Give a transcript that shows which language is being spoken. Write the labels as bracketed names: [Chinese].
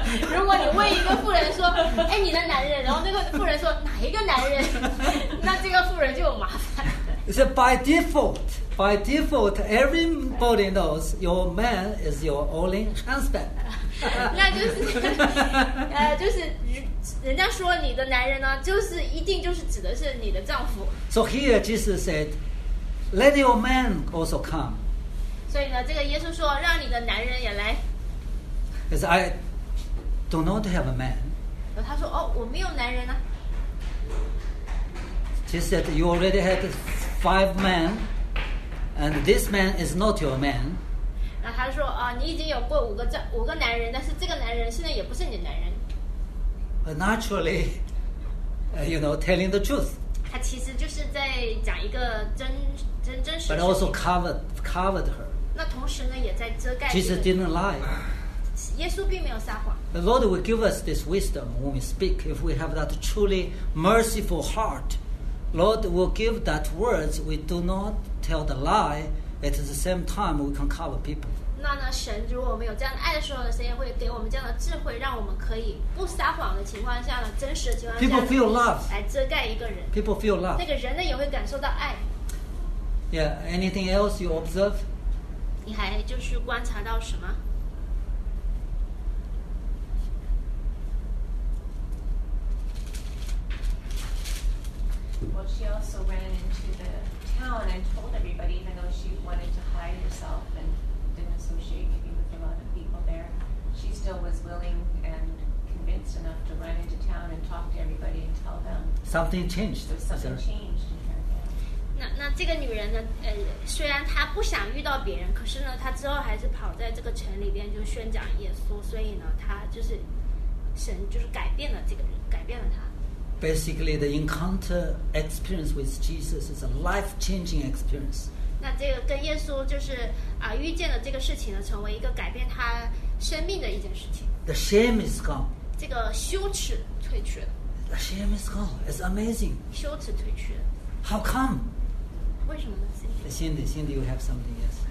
[Chinese] 如果你问一个妇人说，哎，你的男人，然后那个妇人说哪一个男人，那这个妇人就有麻烦。 [English] It's by default. By default, everybody knows your man is your only husband. [Chinese] 那就是，就是人家说你的男人呢，就是一定就是指的是你的丈夫。 [English] So here Jesus said, "Let your man also come." [Chinese] 所以呢，这个耶稣说，让你的男人也来。 [English] Because I do not have a man. [Chinese] 他说，哦，我没有男人呢。 [English] Jesus said, "You already had five men, and this man is not your man. [Chinese] 那他说啊，你已经有过五个男人，但是这个男人现在也不是你的男人。 [English] But naturally, you know, telling the truth. [Chinese] 他其实就是在讲一个真实。 [English] But also covered her. [Chinese] 那同时呢，也在遮盖。 [English] Jesus didn't lie. [Chinese] 耶稣并没有撒谎。 [English] The Lord will give us this wisdom when we speak. If we have that truly merciful heart, Lord will give that words. We do not tell the lie. At the same time, we can cover people. [Chinese] 那呢，神如果我们有这样的爱的时候呢，神也会给我们这样的智慧，让我们可以不撒谎的情况下呢，真实的情况下。 [English] People feel love. [Chinese] 来遮盖一个人。 [English] People feel love. [Chinese] 那个人呢，也会感受到爱。 [English] Yeah. Anything else you observe? [Chinese] 你还就是观察到什么？ [English] Well, she also ran into the town and told everybody, even though she wanted to hide herself and didn't associate maybe with a lot of people there, she still was willing and convinced enough to run into town and talk to everybody and tell them. Something changed. So something changed in her. [Chinese] 那这个女人呢，虽然她不想遇到别人，可是呢，她之后还是跑在这个城里边就宣讲耶稣，所以呢，她就是神就是改变了这个人，改变了她。 [English] Basically, the encounter experience with Jesus is a life-changing experience. [Chinese] 那这个跟耶稣就是啊遇见的这个事情呢，成为一个改变他生命的一件事情。 [English] The shame is gone. [Chinese] 这个羞耻褪去了。 [English] The shame is gone. It's amazing. [Chinese] 羞耻褪去了。 [English] How come? [Chinese] 为什么呢 [English] ？Cindy, Cindy, you have something, yes?